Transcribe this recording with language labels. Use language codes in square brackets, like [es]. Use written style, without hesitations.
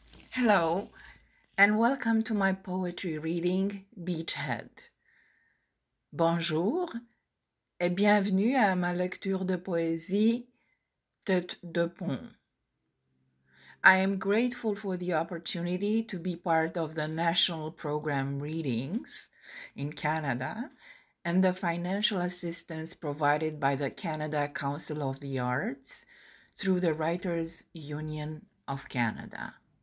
[en] Hello, and welcome to my poetry reading, Beachhead. [fr] Bonjour, et bienvenue à ma lecture de poésie, Tête de pont. [en] I am grateful for the opportunity to be part of the National Program Readings in Canada and the financial assistance provided by the Canada Council of the Arts through the Writers Union of Canada.